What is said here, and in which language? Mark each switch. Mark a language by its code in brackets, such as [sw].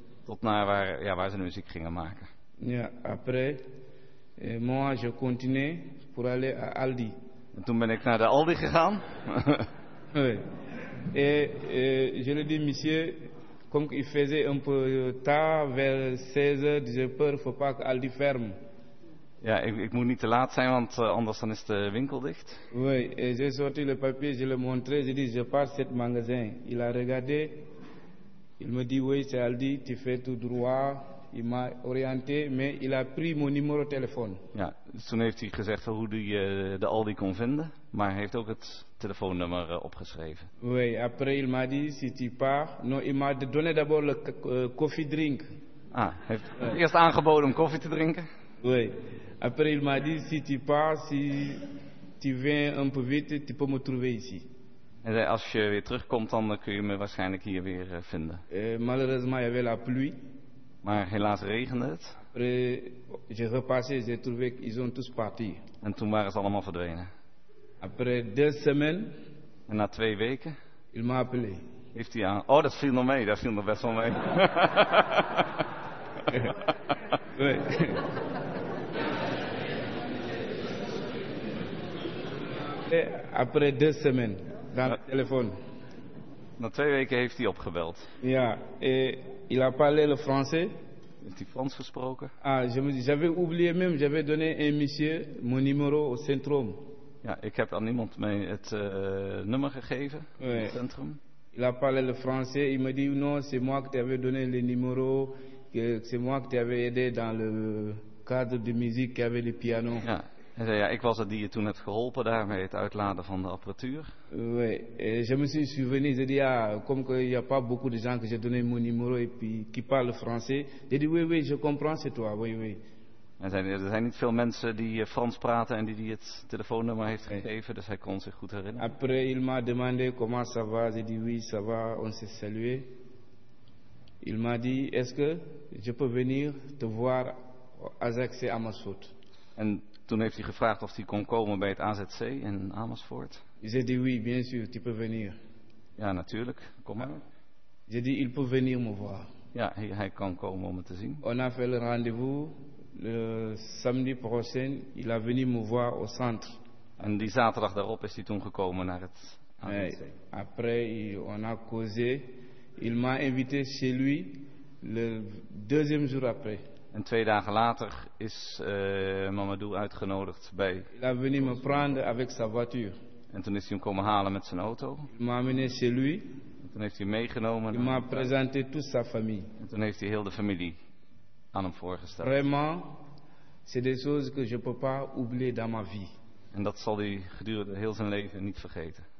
[nl] Tot naar waar, ja, waar ze de muziek gingen maken. [fr] Ja, après... moi, je continue pour aller à Aldi. [nl] En toen ben ik naar de Aldi gegaan. [fr] Oui. Et je le dis, monsieur, comme il faisait un peu tard, vers 16h, j'ai peur, faut pas qu'Aldi ferme. [nl] Ja, ik moet niet te laat zijn, want anders dan is de winkel dicht. [fr] Oui, et j'ai sorti le papier, je le montré, j'ai dit, je pars cet magasin. Il a regardé, il me dit, oui, c'est Aldi, tu fais tout droit. Il m'a orienté, mais il a pris mon numéro de téléphone. [nl] Ja, dus toen heeft hij gezegd hoe hij de Aldi kon vinden, maar hij heeft ook het telefoonnummer opgeschreven. [fr] Oui, après il m'a dit si tu pars. Non, il m'a donné d'abord le [nl] koffie drinken. Ah, hij heeft eerst aangeboden om koffie te drinken. [fr] Oui, après il m'a dit si tu pars, si tu viens un peu vite, tu peux me trouver ici. [nl] En zei, als je weer terugkomt, dan kun je me waarschijnlijk hier weer vinden. [fr] Malheureusement, il y avait la pluie. [nl] Maar helaas regende het. [fr] J'ai repassé, j'ai trouvé qu'ils ont tous parti. [nl] En toen waren ze allemaal verdwenen. [fr] Après deux semaines. [nl] En na twee weken. [fr] Il m'a appelé. [nl] Heeft hij aan? Oh, dat viel nog mee. Dat viel nog best wel mee. [fr] Oui. Et après deux semaines, dans le téléphone. [nl] Na twee weken heeft hij opgebeld. [fr] Ja, et il a parlé le français. [nl] Heeft hij Frans gesproken? [fr] Ah, j'avais oublié même, j'avais donné un monsieur mon numéro au centrum. [nl] Ja, ik heb aan iemand mee het nummer gegeven. Oui. Het centrum. [fr] Il a parlé le français, il me dit non, c'est moi qui t'avais donné le numéro, que c'est moi qui t'avais aidé dans le cadre de musique qui avait le piano. [nl] Ja, hij zei, ja, ik was het die je toen hebt geholpen daarmee het uitladen van de apparatuur. [fr] Oui, et je me suis souvenu, j'ai dit, ah, comme qu'il n'y a pas beaucoup de gens que j'ai donné mon numéro et puis qui parle français. J'ai dit, oui, oui, je comprends, c'est toi, oui, oui. [nl] Er zijn, niet veel mensen die Frans praten en die het telefoonnummer heeft gegeven, dus hij kon zich goed herinneren. [fr] Après, il m'a demandé comment ça va, j'ai dit, oui, ça va, on s'est salué. Il m'a dit, est-ce que je peux venir te voir à Zaxé à Massoud? [nl] En toen heeft hij gevraagd of hij kon komen bij het AZC in Amersfoort. [fr] J'ai dit oui, bien sûr, tu peux venir. [nl] Ja, natuurlijk, kom maar. [fr] J'ai dit, il peut venir me voir. [nl] Ja, hij kan komen om het te zien. [fr] On a fait le rendez-vous le samedi prochain, il a venu me voir au centre. [nl] En die zaterdag daarop is hij toen gekomen naar het AZC. Nee, [fr] après, on a causé, il m'a invité chez lui le deuxième jour après. [nl] En twee dagen later is Mamadou uitgenodigd bij... [fr] Il a venu me prendre avec sa voiture. [nl] En toen is hij hem komen halen met zijn auto. [fr] Il m'a amené chez lui. [nl] En toen heeft hij meegenomen. [fr] Il m'a présenté toute sa famille. [nl] En toen heeft hij heel de familie aan hem voorgesteld. [fr] Vraiment, c'est des choses que je peux pas oublier dans ma vie. [nl] En dat zal hij gedurende heel zijn leven niet vergeten.